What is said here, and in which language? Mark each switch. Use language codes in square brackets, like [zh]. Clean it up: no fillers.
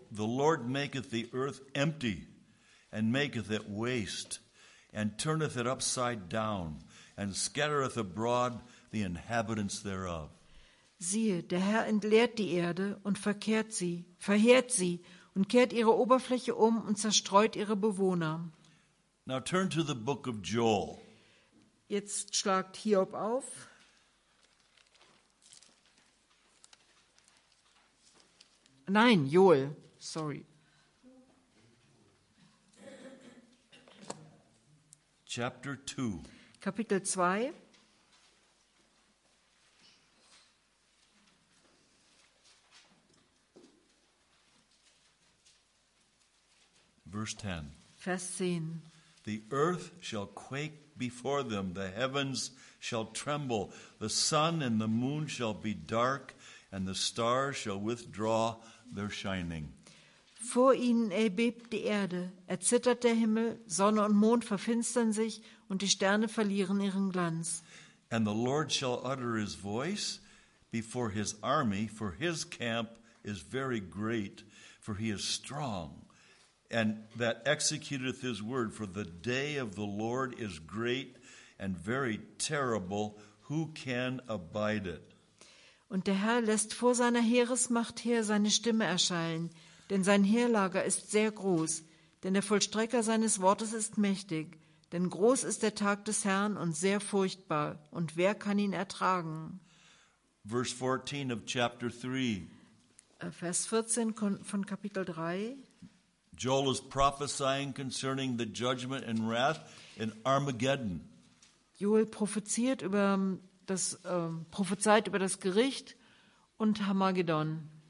[en] the Lord maketh the earth empty and maketh it waste and turneth it upside down and scattereth abroad the inhabitants thereof. [de] Siehe, der Herr entleert die Erde und verkehrt sie, verheert sie und kehrt ihre Oberfläche um und zerstreut ihre Bewohner. [en] Now turn to the book of Joel. [de] Jetzt schlagt Hiob auf. Nein, Joel, sorry. [en] Chapter 2. [de] Kapitel 2. [en] Verse 10. [de] Vers 10. [en] The earth shall quake before them, the heavens shall tremble, the sun and the moon shall be dark, and the stars shall withdraw their shining. [de] Vor ihnen erbebt die Erde, erzittert der Himmel, Sonne und Mond verfinstern sich, und die Sterne verlieren ihren Glanz. [en] And the Lord shall utter his voice before his army, for his camp is very great, for he is strong. And that executeth his word, for the day of the Lord is great and very terrible, who can abide it? [de] Und der Herr lässt vor seiner Heeresmacht her seine Stimme erschallen, denn sein Heerlager ist sehr groß, denn der Vollstrecker seines Wortes ist mächtig, denn groß ist der Tag des Herrn und sehr furchtbar, und wer kann ihn ertragen? [en] Verse 14 of chapter 3. [de] Vers 14 von Kapitel 3. [en] Joel is prophesying concerning the judgment and wrath in Armageddon. [de] Joel prophezeit über das Gericht und Armageddon.